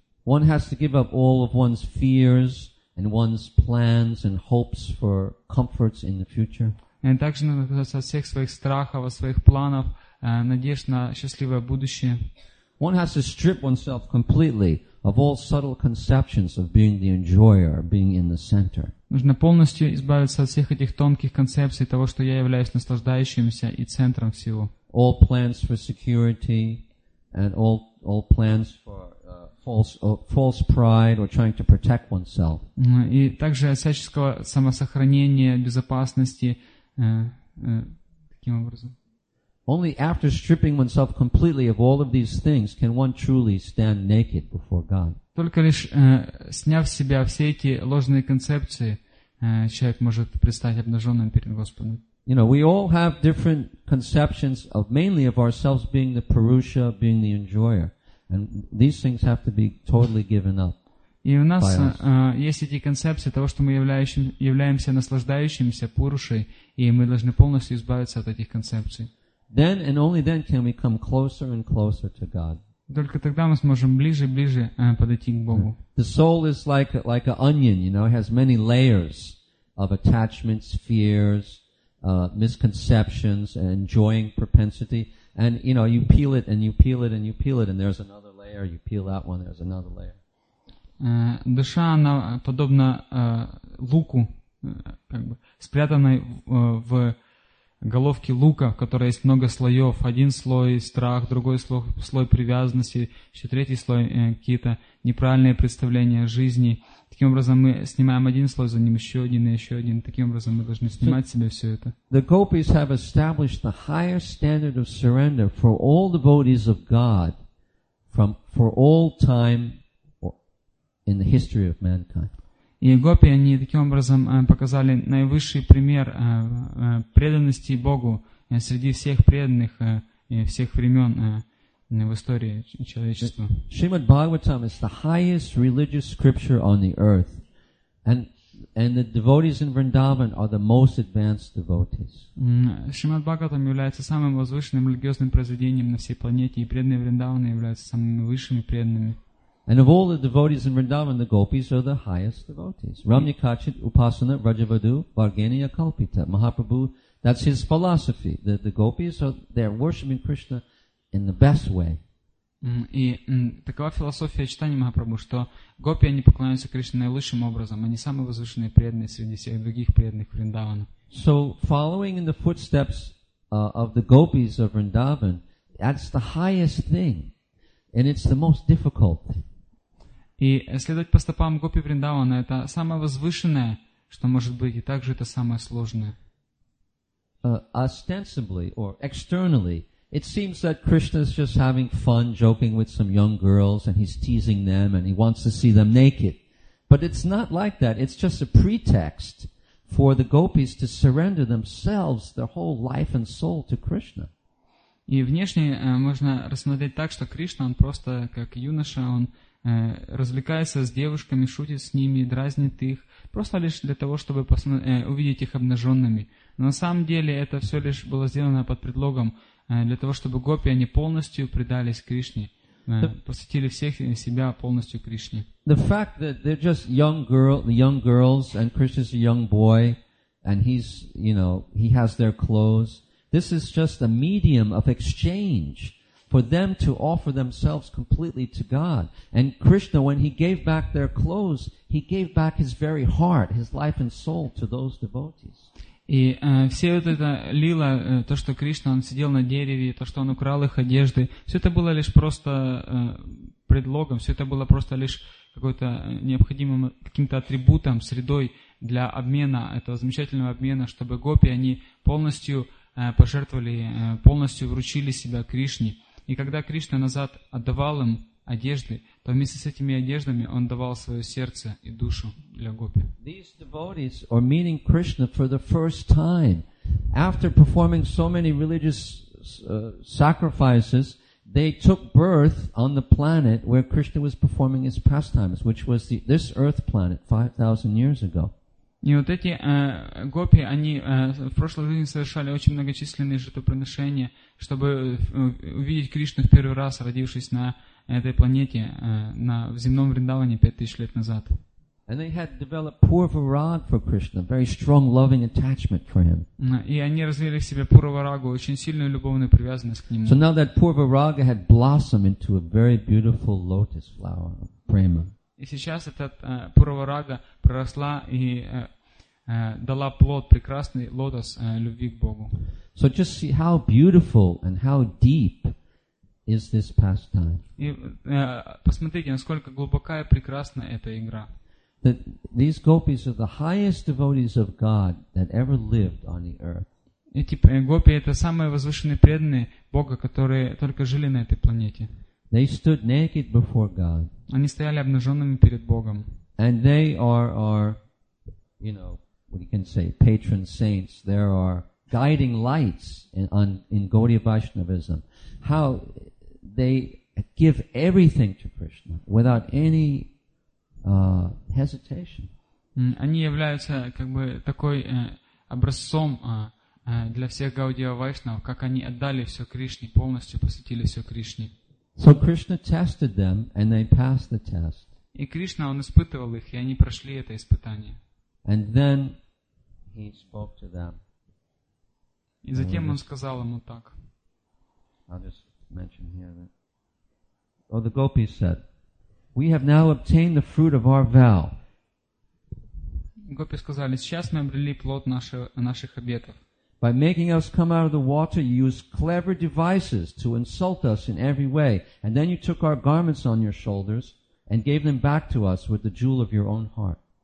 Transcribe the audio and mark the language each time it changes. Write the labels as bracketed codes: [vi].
[en] One has to give up all of one's fears and one's plans and hopes for comforts in the future. [ru] И также надо отказаться от всех своих страхов, от своих планов, надежд на счастливое будущее. [en] One has to strip oneself completely of all subtle conceptions of being the enjoyer, being in the center. [ru] Нужно полностью избавиться от всех этих тонких концепций того, что я являюсь наслаждающимся и центром всего. [en] All plans for security and all plans for false pride or trying to protect oneself. [ru] И также от всяческого самосохранения, безопасности таким образом. [en] Only after stripping oneself completely of all of these things can one truly stand naked before God. [ru] Только лишь сняв с себя все эти ложные концепции, человек может предстать обнаженным перед Господом. [en] You know, we all have different conceptions of mainly of ourselves being the Purusha, being the enjoyer. And these things have to be totally given up. [ru] И у нас есть эти концепции того, что мы являемся наслаждающимся Пурушей, и мы должны полностью избавиться от этих концепций. [en] Then and only then can we come closer and closer to God. [ru] Только тогда мы сможем ближе и ближе подойти к Богу. [en] The soul is like an onion, you know, it has many layers of attachments, fears, misconceptions, enjoying propensity, and you know, you peel it and you peel it and you peel it, and there's another layer. You peel that one, there's another layer. [ru] Душа, она подобна луку, как бы спрятанной в головке лука, в которой есть много слоев. Один слой страх, другой слой привязанности, еще третий слой какие-то неправильные представления о жизни. Таким образом, мы снимаем один слой, за ним еще один и еще один. Таким образом, мы должны снимать себе все это. [en] The gopis have established the higher standard of surrender for all devotees of God from for all time in the history of mankind. [ru] И гопи, они таким образом показали наивысший пример преданности Богу среди всех преданных всех времен в истории человечества. [en] Shrimad Bhagavatam is the highest religious scripture on the earth, and the devotees in Vrindavan are the most advanced devotees. [ru] Shrimad Bhagavatam является самым возвышенным религиозным произведением на всей планете, и преданные Вриндаваны являются самыми высшими преданными. [en] And of all the devotees in Vrindavan, the gopis are the highest devotees. [sa] Ramyakachit, Upasana, Rajavadu, Varganiya, Kalpita, Mahaprabhu, [en] that's his philosophy. The gopis are they're worshipping Krishna in the best way. [ru] И такова философия читания Махапрабху, что гопи, они поклоняются Кришне наилучшим образом, они самые возвышенные преданные среди всех других преданных Вриндавана. [en] So following in the footsteps of the gopis of Vrindavan, that's the highest thing. And it's the most difficult. [ru] И следовать по стопам гопи Вриндавана это самое возвышенное, что может быть, и также это самое сложное. [en] Ostensibly or externally, it seems that Krishna is just having fun joking with some young girls and he's teasing them and he wants to see them naked. But it's not like that. It's just a pretext for the gopis to surrender themselves, their whole life and soul to Krishna. [ru] И внешне можно рассмотреть так, что Кришна, он просто как юноша, он развлекается с девушками, шутит с ними, дразнит их, просто лишь для того, чтобы увидеть их обнаженными. Но на самом деле это все лишь было сделано под предлогом для того, чтобы гопи, они полностью предались Кришне, посвятили всех себя полностью Кришне. [en] The fact that they're just young girls, and Krishna's a young boy, and he's, you know, he has their clothes. This is just a medium of exchange for them to offer themselves completely to God. And Krishna, when he gave back their clothes, he gave back his very heart, his life and soul to those devotees. [ru] И все вот это лила, то, что Кришна, он сидел на дереве, то, что он украл их одежды, все это было лишь просто предлогом, все это было просто лишь какой-то необходимым каким-то атрибутом, средой для обмена, этого замечательного обмена, чтобы гопи, они полностью пожертвовали, полностью вручили себя Кришне. И когда Кришна назад отдавал им одежды, то вместе с этими одеждами он давал свое сердце и душу для гопи. [en] These devotees are meeting Krishna for the first time. After performing so many religious sacrifices, they took birth on the planet where Krishna was performing his pastimes, which was this earth planet 5,000 years ago. [ru] И вот эти гопи, они в прошлой жизни совершали очень многочисленные жертвоприношения, чтобы увидеть Кришну в первый раз, родившись на этой планете, в земном Вриндаване 5000 лет назад. [en] And they had developed Purvarag for Krishna, very strong loving attachment for him. [ru] И они развили в себе Пурварагу, очень сильную любовную привязанность к нему. [en] So now that Purvaraga had blossomed into a very beautiful lotus flower, prema. [ru] И сейчас этот Пурварага проросла и дала плод, прекрасный лотос любви к Богу. [en] So just see how beautiful and how deep is this pastime. [ru] И посмотрите, насколько глубока и прекрасна эта игра. [en] That these gopis are the highest devotees of God that ever lived on the earth. [ru] Эти гопи — это самые возвышенные преданные Бога, которые только жили на этой планете. [en] They stood naked before God. [ru] Они стояли обнаженными перед Богом. [en] And they are, you know, what you can say, patron saints. There are guiding lights in Gaudiya Vaishnavism. How they give everything to Krishna without any hesitation. [ru] Они являются как бы такой образцом для всех Гаудия Вайшнав, как они отдали все Кришне, полностью посвятили все Кришне. [en] So Krishna tested them, and they passed the test. [ru] И Кришна, он испытывал их, и они прошли это испытание. [en] And then he spoke to them. [ru] И затем он сказал ему так. [en] I'll just mention here that. Oh, the gopis said, "We have now obtained the fruit of our vow." [ru] Гопи сказали: "Сейчас мы обрели плод наших обетов." [en] By making us come out of the water, you used clever devices to insult us in every way, and then you took our garments on your shoulders and gave them back to us with the jewel of your own heart.